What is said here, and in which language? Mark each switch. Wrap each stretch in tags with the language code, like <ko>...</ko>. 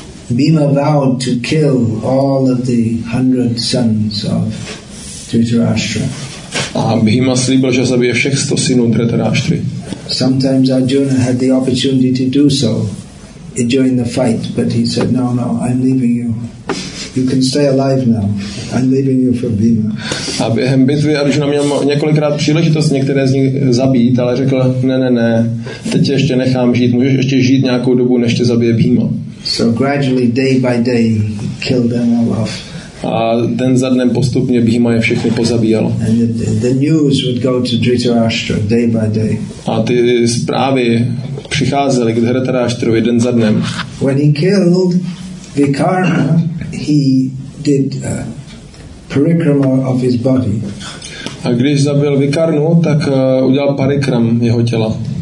<en>Bhima vowed to kill all of the 100 sons of Dhritarashtra.</en> <cs>A Bhima slíbil, že zabije všech 100 synů Dhritarashtry.</cs> <en>Sometimes Arjuna had the opportunity to do so during the fight, but he said, "No, no, I'm leaving you. You can stay alive now. I'm leaving you for Bhima."</en> <cs>A během bitvy Arjuna měl několikrát příležitost některé z nich zabít, ale řekl, ne, teď tě ještě nechám žít, můžeš ještě žít nějakou dobu, než tě zabije Bhima.</cs> <en>So gradually, day by day, he killed them all off.</en> <cs>A den za dnem postupně Bhima je všechny pozabíjal.</cs> <en>And the news would go to Dhritarashtra day by day.</en> <cs>A ty zprávy přicházely k Dhritarashtrovi den za dnem.</cs> <en>When he killed Vikarna, he did a parikrama of his body.</en> <cs>A když zabil Vikarnu, tak udělal parikram jeho těla.</cs>